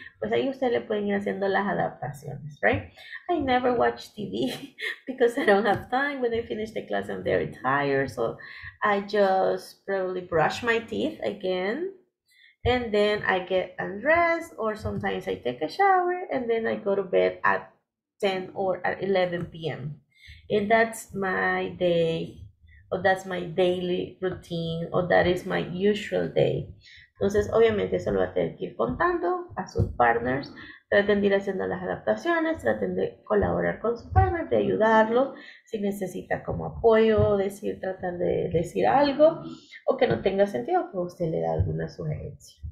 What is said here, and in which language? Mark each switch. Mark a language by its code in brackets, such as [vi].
[es] Pues ahí ustedes le pueden ir haciendo las adaptaciones, right? [en] I never watch TV because I don't have time. When I finish the class, I'm very tired. So I just probably brush my teeth again. And then I get undressed, or sometimes I take a shower, and then I go to bed at 10 or at 11 p.m. And that's my day, or that's my daily routine, or that is my usual day. [es] Entonces, obviamente, eso lo va a tener que ir contando a sus partners. Traten de ir haciendo las adaptaciones, traten de colaborar con su partner, de ayudarlo. Si necesita como apoyo, decir, tratan de decir algo, o que no tenga sentido, pues usted le da alguna sugerencia.